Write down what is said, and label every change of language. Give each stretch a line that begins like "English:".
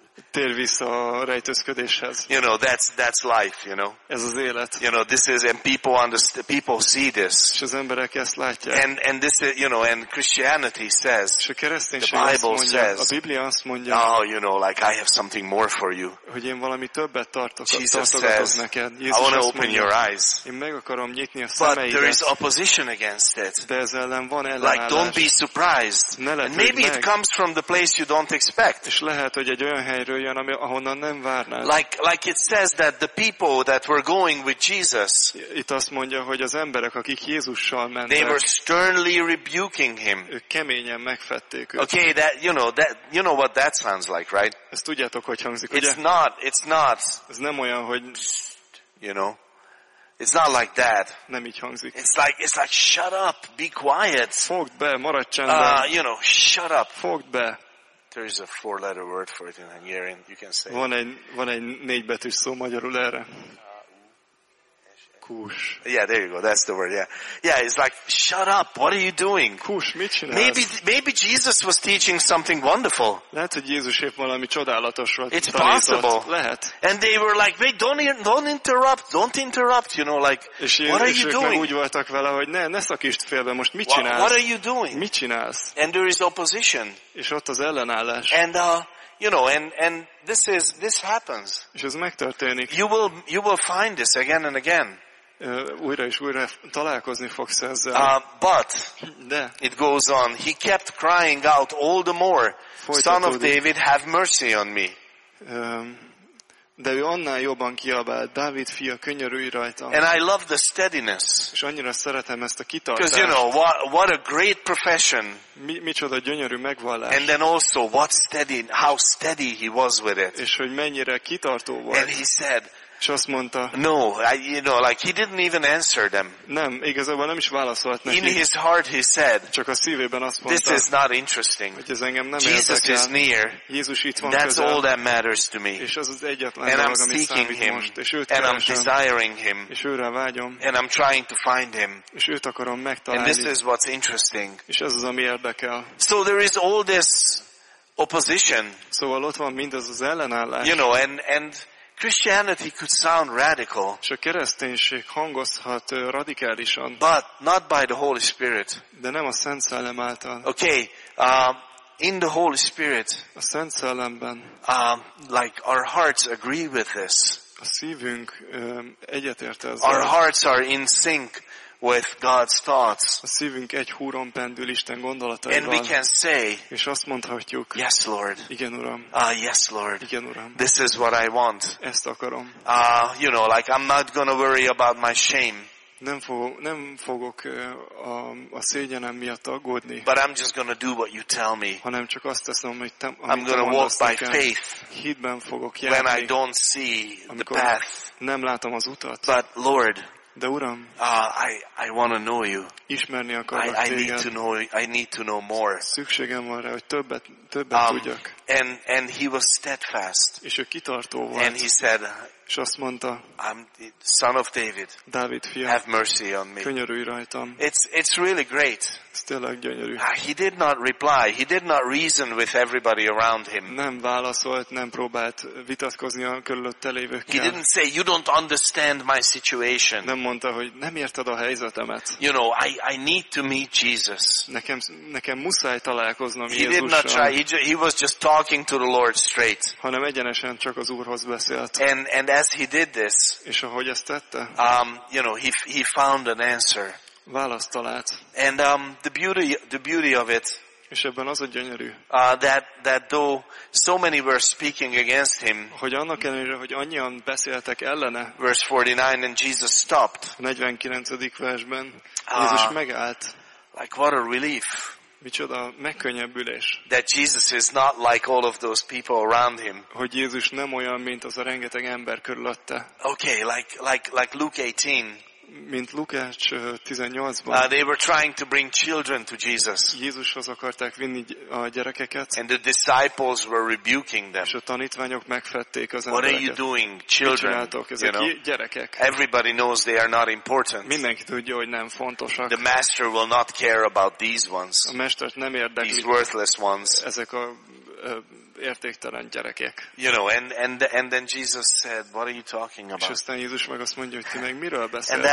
Hungarian: Tér vissza a rejtőzködéshez.
English: You know, that's life, you know.
Hungarian: Ez az élet.
English: You know, this is, and people see this.
Hungarian: És az emberek ezt látják.
English: And this is, you know, and Christianity says,
Hungarian: és a kereszténység azt mondja, a Biblia azt mondja,
English: oh, you know, like, I have something more for you.
Hungarian: Hogy én valami többet tartok,
English: Jesus
Hungarian: tartogatok
English: says,
Hungarian: neked.
English: Jézus, I want to open your eyes.
Hungarian: Én meg akarom nyitni a szemeidet.
English: But there is opposition against it.
Hungarian: De ez ellen van ellenállás.
English: Like, don't be surprised.
Hungarian: Ne lehet,
English: and maybe
Hungarian: meg.
English: It comes from the place you don't expect.
Hungarian: És lehet, hogy egy olyan helyről jön, ahonnan nem várnád.
English: Like it says that the people that were going with Jesus,
Hungarian: itt azt mondja, hogy az emberek, akik Jézussal mentek,
English: they were sternly rebuking him.
Hungarian: Ők keményen megfették őt.
English: Okay, that, you know, that, you know what that sounds like, right?
Hungarian: Ezt tudjátok, hogy hangzik,
English: it's
Hungarian: ugye?
English: It's not.
Hungarian: Ez nem olyan, hogy,
English: you know, it's not like that.
Hungarian: Nem így hangzik.
English: It's like, shut up, be quiet.
Hungarian: Fogd be, maradj csendben.
English: You know, shut up.
Hungarian: Fogd be.
English: There is a four-letter word for it in Hungarian. You can say.
Hungarian: Van egy négy betűs szó magyarul erre. Kús.
English: Yeah, there you go. That's the word. Yeah, yeah. It's like, shut up. What are you doing?
Hungarian: Kús, mit csinálsz?
English: Maybe Jesus was teaching something wonderful.
Hungarian: Lehet, hogy Jézus épp valami csodálatos volt.
English: It's possible.
Hungarian: Lehet.
English: And they were like, wait, don't interrupt. You know, like, what are you doing?
Hungarian: Úgy voltak vele, hogy ne szakítsd félbe. Most mit csinálsz?
English: What are you doing?
Hungarian: Mit csinálsz?
English: And there is opposition.
Hungarian: És ott az ellenállás.
English: And you know, and this happens.
Hungarian: És ez megtörténik.
English: You will find this again and again.
Hungarian: Újra és újra találkozni fogsz ezzel.
English: But
Hungarian: de.
English: It goes on. He kept crying out all the more, Son of David, have mercy on me.
Hungarian: De ő annál jobban kiabált, Dávid fia, könyörülj rajtam.
English: And I love the steadiness.
Hungarian: És annyira szeretem ezt a kitartást.
English: Because you know, what a great profession.
Hungarian: Micsoda gyönyörű megvallás.
English: And then also, how steady he was with it.
Hungarian: És hogy mennyire kitartó volt.
English: And he said,
Hungarian: És azt mondta,
English: no, you know, like he didn't even answer them.
Hungarian: Nem, igazából nem is válaszolt neki.
English: In his heart he said,
Hungarian: csak a szívében azt mondta,
English: this is not interesting.
Hungarian: Hogy ez engem nem
English: Jesus
Hungarian: érdekel.
English: Is near.
Hungarian: Jézus itt van
English: that's
Hungarian: közel.
English: All that matters to me.
Hungarian: És az az egyetlen dolog, ami
English: seeking
Hungarian: számít
English: him,
Hungarian: most. És őt
English: and
Hungarian: keresem.
English: I'm desiring him.
Hungarian: És őre vágyom.
English: And I'm trying to find him.
Hungarian: És őt akarom megtalálni.
English: And this is what's interesting.
Hungarian: És ez az, ami érdekel.
English: So there is all this opposition.
Hungarian: Szóval ott van mindez az ellenállás.
English: You know, and Christianity could sound radical.
Hungarian: És a kereszténység hangozhat radikálisan.
English: But not by the Holy Spirit.
Hungarian: De nem a Szent Szellem által.
English: Okay. In the Holy Spirit.
Hungarian: A Szent Szellemben.
English: Like our hearts agree with this.
Hungarian: A szívünk egyetért ezzel.
English: Our hearts are in sync with God's thoughts.
Hungarian: A szívünk egy húron pendül Isten gondolataival.
English: And we can say,
Hungarian: és azt mondhatjuk,
English: yes Lord.
Hungarian: Igen Uram.
English: Yes Lord.
Hungarian: Igen Uram.
English: This is what I want.
Hungarian: Ezt akarom.
English: You know, like I'm not gonna worry about my shame.
Hungarian: Nem fogok a szégyenem miatt aggódni.
English: But I'm just gonna do what you tell me.
Hungarian: Hanem csak azt teszem, amit te mondasz.
English: I'm gonna walk by faith.
Hungarian: Hitben fogok járni.
English: When I don't see the path.
Hungarian: Nem látom az utat.
English: But Lord,
Hungarian: de Uram,
English: I want to know you.
Hungarian: Ismerni akarok téged.
English: I need to know more.
Hungarian: Szükségem van rá, hogy többet tudjak.
English: And he was steadfast.
Hungarian: És ő kitartó volt.
English: And he said,
Hungarian: és azt mondta,
English: I'm the son of David.
Hungarian: Dávid fia.
English: Have mercy on me.
Hungarian: Könyörülj rajtam.
English: It's really great.
Hungarian: Ez tényleg gyönyörű.
English: He did not reply. He did not reason with everybody around him.
Hungarian: Nem válaszolt, nem próbált vitatkozni a körülötte lévőkkel.
English: He didn't say, you don't understand my situation.
Hungarian: Nem mondta, hogy nem érted a helyzetemet.
English: You know, I need to meet Jesus.
Hungarian: Nekem muszáj találkoznom
English: he
Hungarian: Jézussal.
English: He did not try. He was just talking to the Lord straight.
Hungarian: Hanem egyenesen csak az Úrhoz beszélt.
English: And as he did this,
Hungarian: és ahogy ezt tette,
English: you know, he found an answer.
Hungarian: Választ talált.
English: And the beauty of it,
Hungarian: és ebben az a gyönyörű,
English: that though so many were speaking against him,
Hungarian: hogy annak ellenére, hogy annyian beszéltek ellene,
English: verse 49, and Jesus stopped.
Hungarian: 49. versben Jézus megállt.
English: Like what a relief.
Hungarian: Micsoda megkönnyebbülés.
English: That Jesus is not like all of those people around him.
Hungarian: Hogy Jézus nem olyan, mint az a rengeteg ember körülötte.
English: Okay, like Luke 18.
Hungarian: Mint Lukács 18-ban.
English: They were trying to bring children to Jesus.
Hungarian: Jézushoz akarták vinni a gyerekeket.
English: And the disciples were rebuking them.
Hungarian: És a tanítványok megfették az embereket.
English: What are you doing, children?
Hungarian: Ezek gyerekek.
English: Everybody knows they are not important.
Hungarian: Mindenki tudja, hogy nem fontosak.
English: The master will not care about these ones.
Hungarian: A mestert nem érdekli.
English: These worthless ones.
Hungarian: Ezek a értéktelen gyerekek.
English: You know, and then Jesus said, what are you talking about?
Hungarian: És aztán Jézus meg azt mondja, hogy ti meg miről beszéltek?